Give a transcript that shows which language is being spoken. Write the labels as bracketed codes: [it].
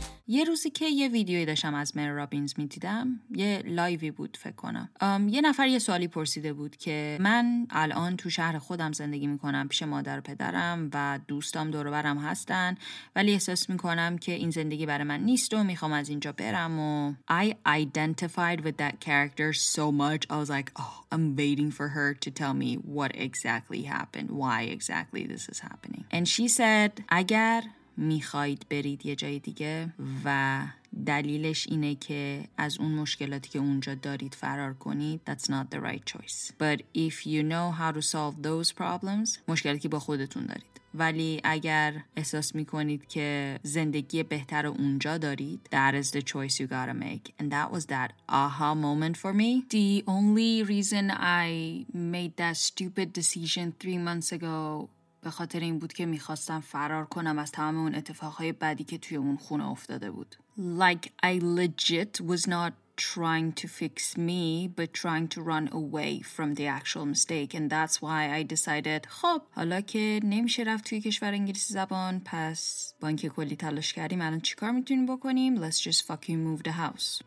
[fa] یه روزی که یه ویدیوی داشتم از مری رابینز میدیدم، یه لایوی بود فکر کنم، یه نفر یه سوالی پرسیده بود که من الان تو شهر خودم زندگی میکنم، پیش مادر و پدرم و دوستام دور و برم هستن، ولی احساس میکنم که این زندگی برای من نیست و میخوام از اینجا برم. و [en] I identified with that character so much. I was like, oh, I'm waiting for her to tell me what exactly happened, why exactly this is happening. And she said, [fa] اگر میخواید برید یه جای دیگه و دلیلش اینه که از اون مشکلاتی که اونجا دارید فرار کنید، [en] that's not the right choice. But if you know how to solve those problems، [fa] مشکلاتی که با خودتون دارید، ولی اگر احساس میکنید که زندگی بهتر اونجا دارید، [en] that is the choice you gotta make. And that was that aha moment for me. The only reason I made that stupid decision 3 months ago [fa] به خاطر این بود که میخواستم فرار کنم از تمام اون اتفاقهای بدی که توی اون خونه افتاده بود. [en] Like I legit was not trying to fix me but trying to run away from the actual mistake, and that's why I decided [fa] خب حالا که نمیشه رفت توی کشور انگلیسی زبان، پس با اینکه کلی تلاش کردیم الان چیکار میتونیم بکنیم؟ [en] Let's just fucking move the house.